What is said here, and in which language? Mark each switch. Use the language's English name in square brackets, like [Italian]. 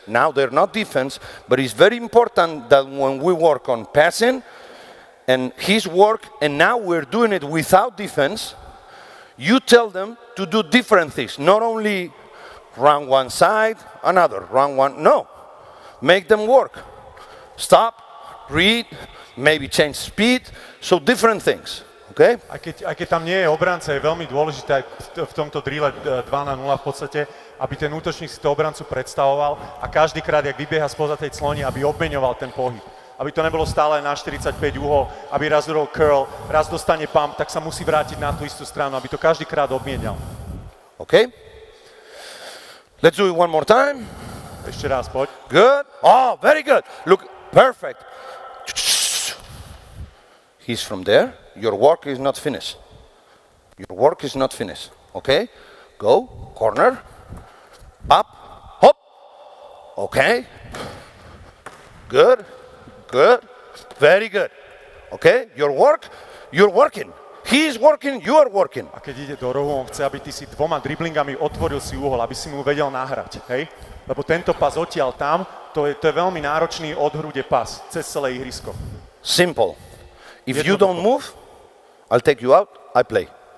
[English] Now they're not defense, but it's very important that when we work on passing, and his work, and now we're doing it without defense, you tell them to do different things, not only run one side, another, run one, no. Make them work. Stop, read, maybe change speed, so different things, okay? [Slovak] A keď tam nie je obranca, je veľmi dôležité v tomto drille 2-0 v podstate, aby ten útočník si to obrancu predstavoval a každýkrát, jak vybieha spoza tej clony, aby obmeňoval ten pohyb. Aby to nebolo stále na 45 uhol, aby raz urobil curl, raz dostane pump, tak sa musí vrátiť na tú istú stranu, aby to každýkrát obmienial. [English] OK. Let's do it one more time. [Slovak] Ešte raz, poď. [English] Good. Oh, very good. Look, perfect. He's from there. Your work is not finished. Your work is not finished. OK. Go. Corner. Up. Hop. OK. Good. Good. Very good. Okay? You're working. He is working, you are working. [Slovak] A keď ide do rohu, on chce, aby ty si dvoma driblingami otvoril si uhol, aby si mu vedel nahrať, hej? Lebo tento pas odtiaľ tam, to je veľmi náročný odhrúde pas cez celé ihrisko. [English] Simple. If you don't move, I'll take you out, I play.